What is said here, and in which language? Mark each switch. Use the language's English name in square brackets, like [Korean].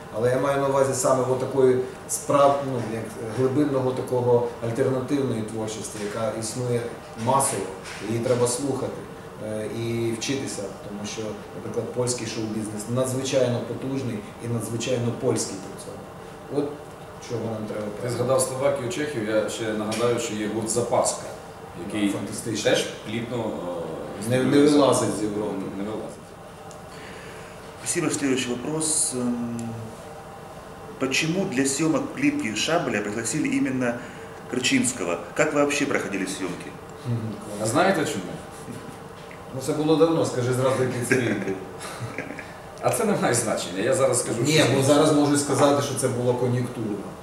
[Ukrainian] Але я маю на увазі саме отакої як глибинного такого альтернативної творчості, яка існує масово, її треба слухати і вчитися, тому що, наприклад, польський шоу-бізнес надзвичайно потужний і надзвичайно польський при цьому. От чого нам треба. Ти згадав словаків, чехів, я ще нагадаю, що є гурт Запаска, який фантастичний. Теж плідно не вилазить з Європи. Не вилазить. [Russian] Спасибо, следующий вопрос. Почему для съемок клипки Шабля пригласили именно Крчинского? Как вообще проходили съемки? [Ukrainian] А знаете чому? Ну це було давно, скажи зразу, який це рік був. А це не має значення, я зараз скажу, ні, бо зараз можу сказати, що це було кон'юнктурно.